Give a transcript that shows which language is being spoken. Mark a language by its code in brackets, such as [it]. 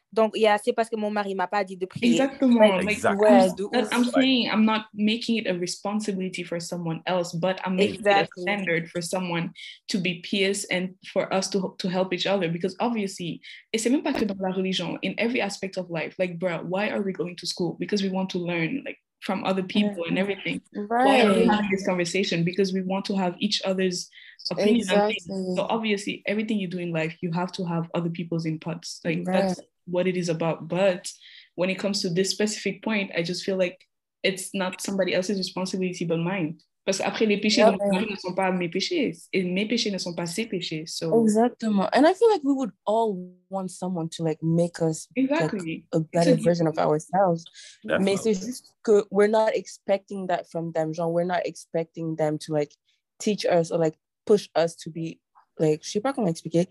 [fr] Donc, c'est parce que mon mari m'a pas dit de prier. [en] I'm saying I'm not making it a responsibility for someone else, but I'm making it a standard for someone to be pious and for us to help each other. Because obviously, [fr] et c'est même pas que dans la religion, [en] in every aspect of life, like, bro, why are we going to school? Because we want to learn, like, from other people and everything. Right. Why are we having this conversation? Because we want to have each other's opinion. Exactly. On things. So obviously, everything you do in life, you have to have other people's inputs. Like, that's what it is about. But when it comes to this specific point, I just feel like it's not somebody else's responsibility but mine. [fr] Parce qu'après les péchés de mon mari ne sont pas mes péchés, et mes péchés ne sont pas ses péchés. [en] So [fr] exactement. [en] And I feel like we would all want someone to like make us a better version of ourselves. Definitely. [fr] Mais c'est juste que [en] we're not expecting that from them. Genre, we're not expecting them to like teach us or like push us to be. [fr] Like, je sais pas comment expliquer.